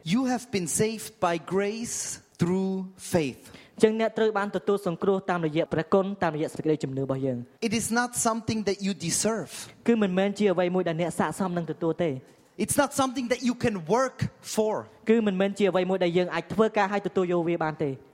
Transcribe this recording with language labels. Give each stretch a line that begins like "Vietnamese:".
English: You have been saved by grace through faith.
Khmer: យើងអ្នកត្រូវបានទទួលសង្គ្រោះតាមរយៈព្រះគុណតាមរយៈសេចក្តីជំនឿរបស់យើង.
English: It is not something that you deserve.
Khmer: គឺមិនមែនជាអ្វីមួយដែលអ្នកស័ក្តិសមនឹងទទួលទេ.
English: It's not something that you can work for.
Khmer: គឺមិនមែនជាអ្វីមួយដែលយើងអាចធ្វើការឲ្យទទួលយកវាបានទេ.